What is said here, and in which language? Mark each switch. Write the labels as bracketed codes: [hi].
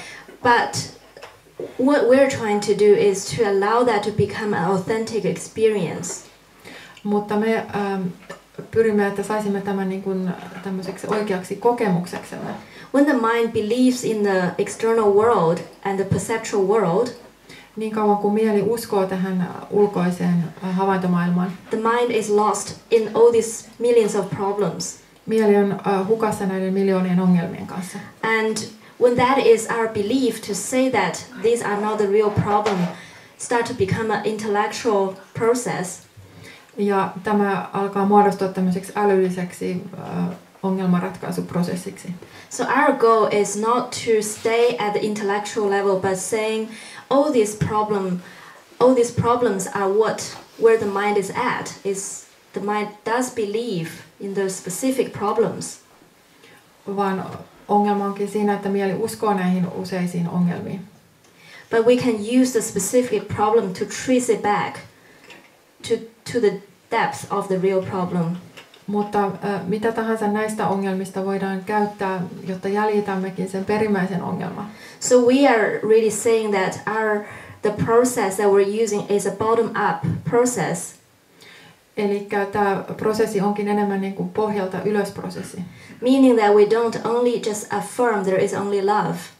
[en] But what we're trying to do is to allow that to become an authentic experience. [fi] Mutta me pyrimme, että saisimme tämän niin kuin tämmöiseksi oikeaksi kokemukseksemme. [en] When the mind believes in the external world and the perceptual world, [fi] niin kauan kuin mieli uskoo tähän ulkoiseen havaintomaailmaan, [en] the mind is lost in all these millions of problems. [fi] Mieli on hukassa näiden miljoonien ongelmien kanssa. [en] And when that is our belief to say that these are not the real problem, start to become an intellectual process. [fi] Ja tämä alkaa muodostua tämmöiseksi älylliseksi ongelmanratkaisuprosessiksi. [en] So our goal is not to stay at the intellectual level, but saying all these problems are what where the mind is at is. The mind does believe in those specific problems. [fi] Vaan ongelma onkin siinä, että mieli uskoo näihin useisiin ongelmiin. [en] But we can use the specific problem to trace it back to the depth of the real problem. [fi] Mutta mitä tahansa näistä ongelmista voidaan käyttää, jotta jäljitämmekin sen perimmäisen ongelman. [en] So we are really saying that the process that we're using is a bottom-up process. [fi] Eli tämä prosessi onkin enemmän niin kuin pohjalta ylös prosessi. [en] Meaning that we don't only just affirm there is only love.